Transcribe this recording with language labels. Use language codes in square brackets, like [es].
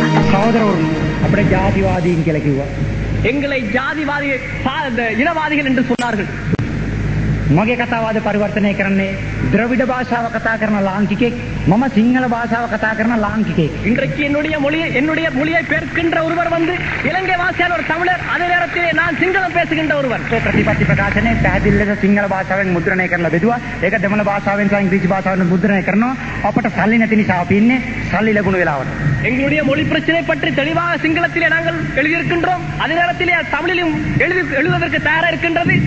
[ta] සහෝදරවරු அப்படி ஜாதிவாதியும் கிளக்குவா எங்களை ஜாதிவாதி இனவாதிகள் என்று சொன்னார்கள். [si] මගේ කතාවාද පරිවර්තනය කරන්නේ ද්‍රවිඩ භාෂාව කතා කරන ලාංකිකෙක්, මම සිංහල භාෂාව කතා කරන ලාංකිකෙක්. [ta] இன்றைக்கு என்னுடைய மொழியை பேசுகின்ற ஒருவர் வந்து இலங்கை வாசியான ஒரு தமிழர், அதே நேரத்திலே நான் சிங்களம் பேசுகின்ற ஒருவர். [si] ප්‍රතිපත්ති ප්‍රකාශනයේ පැහැදිලිව සිංහල භාෂාවෙන් මුද්‍රණය කරන බෙදුවා. ඒක දෙමළ භාෂාවෙන් සහ ඉංග්‍රීසි භාෂාවෙන් මුද්‍රණය කරනවා. අපට සල්ලි නැති නිසා අපි ඉන්නේ සල්ලි ලැබුණු වෙලාවට. [ta] எங்களுடைய மொழி பிரச்சனை பற்றி தெளிவாக சிங்களத்திலே நாங்கள் எழுதியிருக்கின்றோம். அதே நேரத்திலே தமிழிலும் எழுதுவதற்கு தயாராக இருக்கின்றது.